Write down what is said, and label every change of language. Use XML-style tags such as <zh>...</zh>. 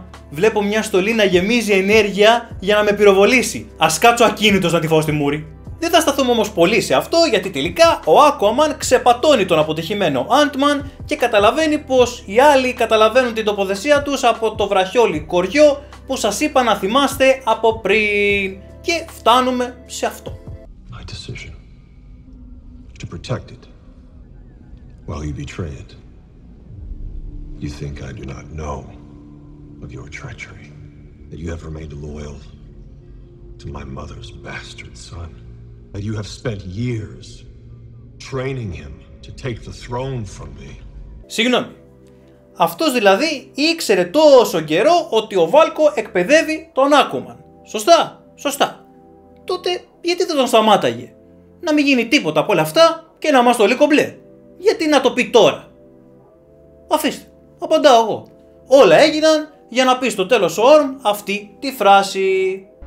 <el>Βλέπω μια στολή να γεμίζει ενέργεια για να με πυροβολήσει. Ας κάτσω ακίνητος να τη φάω στη μούρη. Δεν θα σταθούμε όμως πολύ σε αυτό, γιατί τελικά ο Aquaman ξεπατώνει τον αποτυχημένο Ant-Man και καταλαβαίνει πως οι άλλοι καταλαβαίνουν την τοποθεσία τους από το βραχιόλι κοριό που σας είπα να θυμάστε από πριν. Και φτάνουμε σε αυτό.</el> <en>My decision to protect it while you betray it. You think I do not know of your treachery, that you have remained loyal to my mother's bastard son, that you have spent years training him to take the throne from me.</en> <el>Συγγνώμη. Αυτός δηλαδή ήξερε τόσο καιρό ότι ο Βάλκο εκπαιδεύει τον Aquaman. Σωστά, σωστά. Τότε γιατί δεν τον σταμάταγε? Να μην γίνει τίποτα από όλα αυτά και να μας το λέει κομπλέ. Γιατί να το πει τώρα? Αφήστε, απαντάω εγώ. Όλα έγιναν για να πει στο τέλος ο Ορμ αυτή τη φράση.</el>